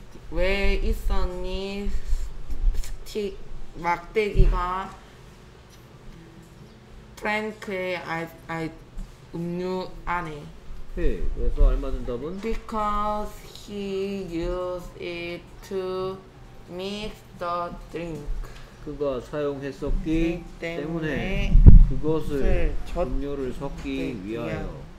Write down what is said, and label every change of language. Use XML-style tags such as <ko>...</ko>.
<ko>왜 있었니 스틱 막대기가 프랭크의 음료 안에. 네, 그래서 알맞은 답은</ko> <en>because he used it to mix the drink.</en> <ko>그가 사용했었기 때문에 그것을 음료를 섞기 위하여.</ko>